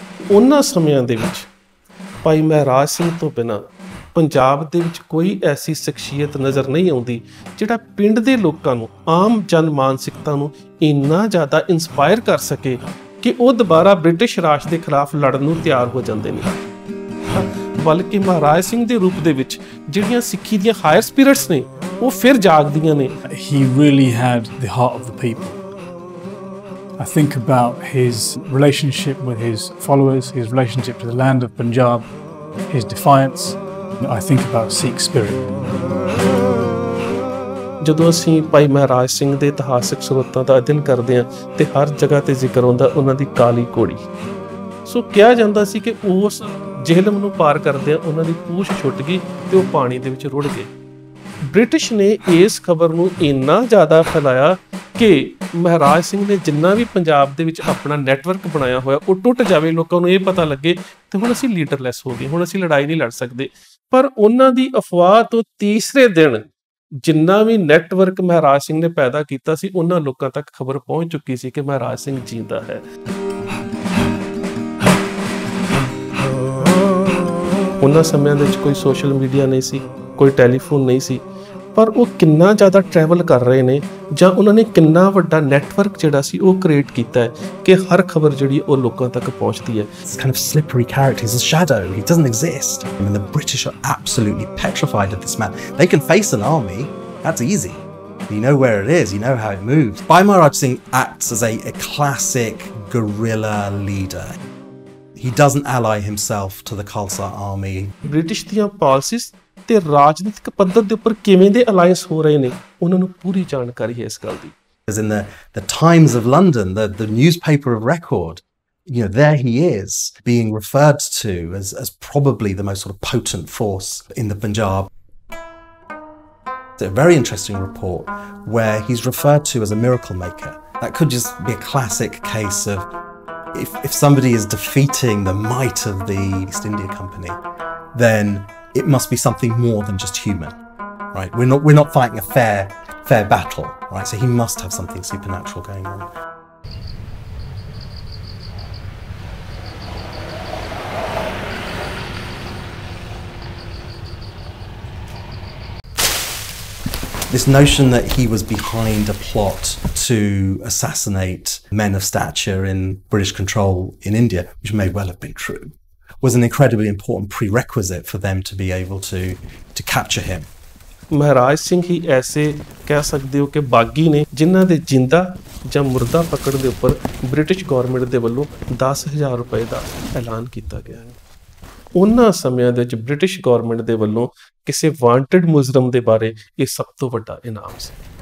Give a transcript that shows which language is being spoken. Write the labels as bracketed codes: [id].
[pa] ਉਹਨਾਂ ਸਮਿਆਂ ਦੇ ਵਿੱਚ ਭਾਈ ਮਹਿਰਾਜ ਸਿੰਘ ਤੋਂ ਬਿਨਾਂ ਪੰਜਾਬ ਦੇ ਵਿੱਚ ਕੋਈ ਐਸੀ ਸ਼ਖਸੀਅਤ ਨਜ਼ਰ ਨਹੀਂ ਆਉਂਦੀ ਜਿਹੜਾ ਪਿੰਡ ਦੇ ਲੋਕਾਂ ਨੂੰ, ਆਮ ਜਨ ਮਾਨਸਿਕਤਾ ਨੂੰ ਇੰਨਾ ਜ਼ਿਆਦਾ ਇੰਸਪਾਇਰ ਕਰ ਸਕੇ ਕਿ ਉਹ ਦੁਬਾਰਾ ਬ੍ਰਿਟਿਸ਼ ਰਾਜ ਦੇ ਖਿਲਾਫ ਲੜਨ ਨੂੰ ਤਿਆਰ ਹੋ ਜਾਂਦੇ ਨੇ। ਬਲਕਿ ਮਹਾਰਾਜ ਸਿੰਘ ਦੇ ਰੂਪ ਦੇ ਵਿੱਚ ਜਿਹੜੀਆਂ ਸਿੱਖੀ ਦੀਆਂ ਹਾਇਰ ਸਪਿਰਿਟਸ ਨੇ ਉਹ ਫਿਰ ਜਾਗਦੀਆਂ ਨੇ। [en] He really had the heart of the people. I think about his relationship with his followers, his relationship to the land of Punjab, his defiance. I think about Sikh spirit. [pa] ਜਦੋਂ ਅਸੀਂ ਭਾਈ ਮਹਾਰਾਜ ਸਿੰਘ ਦੇ ਇਤਿਹਾਸਿਕ ਸਰੋਤਾਂ ਦਾ ਅਧਿਐਨ ਕਰਦੇ ਹਾਂ ਤੇ ਹਰ ਜਗ੍ਹਾ ਤੇ ਜ਼ਿਕਰ ਆਉਂਦਾ ਉਹਨਾਂ ਦੀ ਕਾਲੀ ਘੋੜੀ। ਸੋ ਕਿਹਾ ਜਾਂਦਾ ਸੀ ਕਿ ਉਸ ਜਿਹਲਮ ਨੂੰ ਪਾਰ ਕਰਦਿਆਂ ਉਹਨਾਂ ਦੀ ਪੂਛ ਛੁੱਟ ਗਈ ਤੇ ਉਹ ਪਾਣੀ ਦੇ ਵਿੱਚ ਰੁੜ ਗਏ। ਬ੍ਰਿਟਿਸ਼ ਨੇ ਇਸ ਖਬਰ ਨੂੰ ਇੰਨਾ ਜ਼ਿਆਦਾ ਫੈਲਾਇਆ ਕਿ ਮਹਾਰਾਜ ਸਿੰਘ ਨੇ ਜਿੰਨਾ ਵੀ ਪੰਜਾਬ ਦੇ ਵਿੱਚ ਆਪਣਾ ਨੈੱਟਵਰਕ ਬਣਾਇਆ ਹੋਇਆ ਉਹ ਟੁੱਟ ਜਾਵੇ, ਲੋਕਾਂ ਨੂੰ ਇਹ ਪਤਾ ਲੱਗੇ ਤੇ ਹੁਣ ਅਸੀਂ ਲੀਡਰਲੈਸ ਹੋ ਗਏ, ਹੁਣ ਅਸੀਂ ਲੜਾਈ ਨਹੀਂ ਲੜ ਸਕਦੇ। ਪਰ ਉਹਨਾਂ ਦੀ ਅਫਵਾਹ ਤੋਂ ਤੀਸਰੇ ਦਿਨ ਜਿੰਨਾ ਵੀ ਨੈੱਟਵਰਕ ਮਹਾਰਾਜ ਸਿੰਘ ਨੇ ਪੈਦਾ ਕੀਤਾ ਸੀ ਉਹਨਾਂ ਲੋਕਾਂ ਤੱਕ ਖਬਰ ਪਹੁੰਚ ਚੁੱਕੀ ਸੀ ਕਿ ਮਹਾਰਾਜ ਸਿੰਘ ਜਿੰਦਾ ਹੈ। ਉਹਨਾਂ ਸਮਿਆਂ ਦੇ ਵਿੱਚ ਕੋਈ ਸੋਸ਼ਲ ਮੀਡੀਆ ਨਹੀਂ ਸੀ, ਕੋਈ ਟੈਲੀਫੋਨ ਨਹੀਂ ਸੀ, ਪਰ ਉਹ ਕਿੰਨਾ ਜ਼ਿਆਦਾ ਟਰੈਵਲ ਕਰ ਰਹੇ ਨੇ ਜਾਂ ਉਹਨਾਂ ਨੇ ਕਿੰਨਾ ਵੱਡਾ ਨੈੱਟਵਰਕ ਜਿਹੜਾ ਸੀ ਉਹ ਕ੍ਰੀਏਟ ਕੀਤਾ ਹੈ ਕਿ ਹਰ ਖਬਰ ਜਿਹੜੀ ਉਹ ਲੋਕਾਂ ਤੱਕ ਪਹੁੰਚਦੀ ਹੈ। [en] It's kind of slippery character, he's a shadow, he doesn't exist. I mean, the British are absolutely petrified of this man. They can face an army, that's easy. You know where it is, you know how it moves. Bhai Maharaj Singh acts as a classic guerrilla leader. He doesn't ally himself to the Khalsa army. [pa] British ਦੀਆਂ ਪਾਲਿਸਿਸ ਤੇ ਰਾਜਨੀਤਿਕ ਪੱਧਰ ਦੇ ਉੱਪਰ ਕਿਵੇਂ ਦੇ alliance ਹੋ ਰਹੇ ਨੇ ਉਹਨਾਂ ਨੂੰ ਪੂਰੀ ਜਾਣਕਾਰੀ ਹੈ ਇਸ ਗੱਲ ਦੀ। [en] Because in the Times of London, the newspaper of record, you know, there he is being referred to as probably the most sort of potent force in the Punjab. It's a very interesting report where he's referred to as a miracle maker. That could just be a classic case of if somebody is defeating the might of the East India Company, then it must be something more than just human, right? We're not fighting a fair battle, right? So he must have something supernatural going on. This notion that he was behind a plot to assassinate men of stature in British control in India, which may well have been true, was an incredibly important prerequisite for them to be able to capture him. [pa] ਮਹਾਰਾਜ ਸਿੰਘ ਹੀ ਐਸੇ ਕਹਿ ਸਕਦੇ ਹੋ ਕਿ ਬਾਗੀ ਨੇ ਜਿਨ੍ਹਾਂ ਦੇ ਜਿੰਦਾ ਜਾਂ ਮੁਰਦਾ ਪਕੜ ਦੇ ਉੱਪਰ ਬ੍ਰਿਟਿਸ਼ ਗੌਰਮੈਂਟ ਦੇ ਵੱਲੋਂ 10,000 ਰੁਪਏ ਦਾ ਐਲਾਨ ਕੀਤਾ ਗਿਆ ਹੈ। ਉਹਨਾਂ ਸਮਿਆਂ ਦੇ ਵਿੱਚ ਬ੍ਰਿਟਿਸ਼ ਗੌਰਮੈਂਟ ਦੇ ਵੱਲੋਂ ਕਿਸੇ ਵਾਂਟਡ ਮੁਜ਼ਰਮ ਦੇ ਬਾਰੇ ਇਹ ਸਭ ਤੋਂ ਵੱਡਾ ਇਨਾਮ ਸੀ।